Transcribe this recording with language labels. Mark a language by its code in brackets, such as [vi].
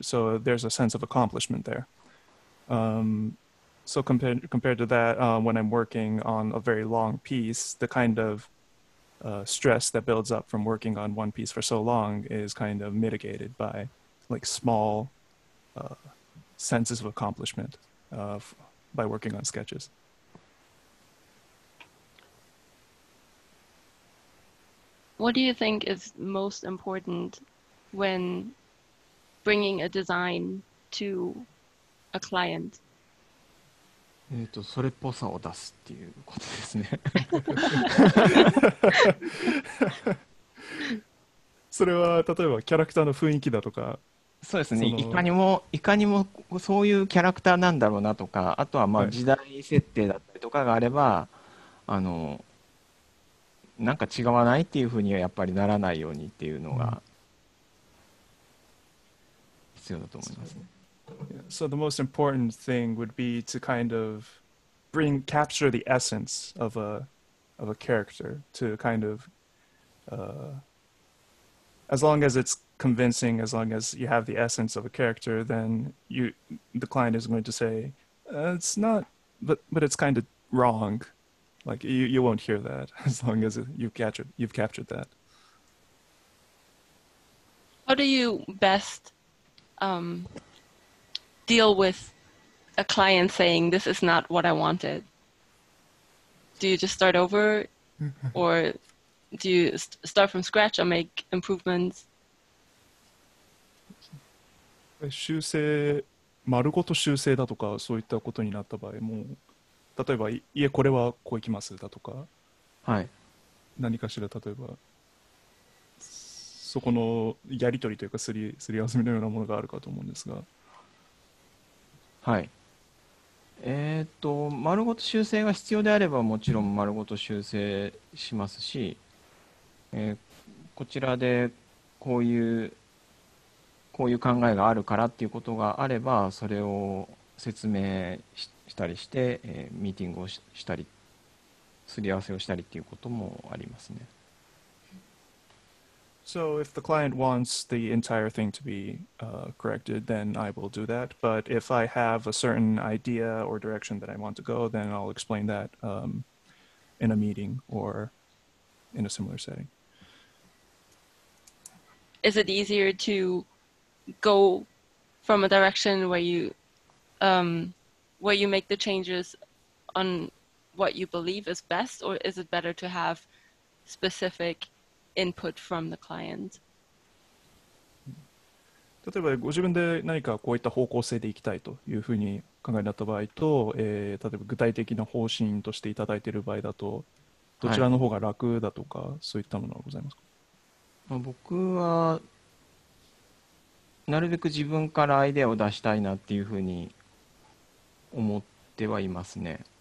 [en] So there's a sense of accomplishment there. So compared to that, when I'm working on a very long piece, the kind of stress that builds up from working on one piece for so long is kind of mitigated by like small senses of accomplishment by working on sketches. What do you think is most important when bringing a design to a client? [ja] それっぽさを出すっていうことですね。それは例えばキャラクターの雰囲気だとか、そうですね、いかにもそういうキャラクターなんだろうなとか、あとはまあ時代設定だったりとかがあれば、はい、なんか違わないっていうふうにはやっぱりならないようにっていうのが必要だと思いますね。 [en] So the most important thing would be to kind of capture the essence of a character, to kind of as long as it's convincing, as long as you have the essence of a character, then the client is going to say it's not, but it's kind of wrong. Like you won't hear that as long as you've captured that. How do you best deal with a client saying this is not what I wanted? Do you just start over, or do you start from scratch or make improvements? [ja] 修正、丸ごと修正だとかそういったことになった場合も、例えば家これはこういきますだとか、はい、何かしら例えばそこのやり取りというかすり合わせのようなものがあるかと思うんですが、はい、丸ごと修正が必要であればもちろん丸ごと修正しますし、こちらでこういう考えがあるからっていうことがあれば、それを説明したりして、ミーティングをしたり、すり合わせをしたりっていうこともありますね。 [en] So if the client wants the entire thing to be corrected, then I will do that. But if I have a certain idea or direction that I want to go, then I'll explain that in a meeting or in a similar setting. Is it easier to go from a direction where you make the changes on what you believe is best, or is it better to have specific input from the client? [ja] 例えばご自分で何かこういった方向性でいきたいというふうに考えになった場合と、例えば具体的な方針としていただいている場合だと、どちらの方が楽だとか、はい、そういったものはございますか？僕はなるべく自分からアイデアを出したいなっていうふうに思ってはいますね。